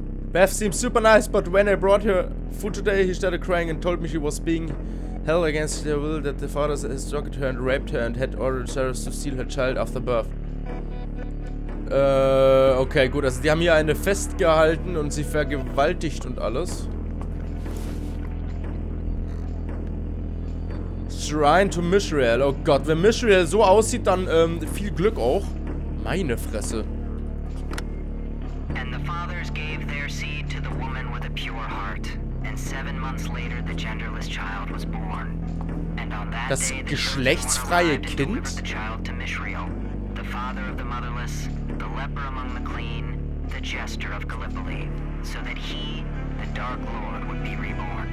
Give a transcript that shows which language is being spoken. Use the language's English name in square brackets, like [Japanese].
[English] Beth seems super nice, but when I brought her food today, he started crying and told me she was being held against her will, that the father has drugged her and raped her and had ordered service to steal her child after birth. [German] Okay, gut. Also, die haben hier eine festgehalten und sie vergewaltigt und alles. [English] Shrine to Mishriel. [German] Oh Gott, wenn Mishriel so aussieht, dann viel Glück auch. Meine Fresse. [English] And the fathers gave their seed to the woman with a pure heart. And 7 months later the genderless child was born. And on that das day, [German] geschlechtsfreie Kind? [English] The child to Mishriel, the father of the motherless, the leper among the clean, the jester of Gallipoli, so that he, the Dark Lord, would be reborn.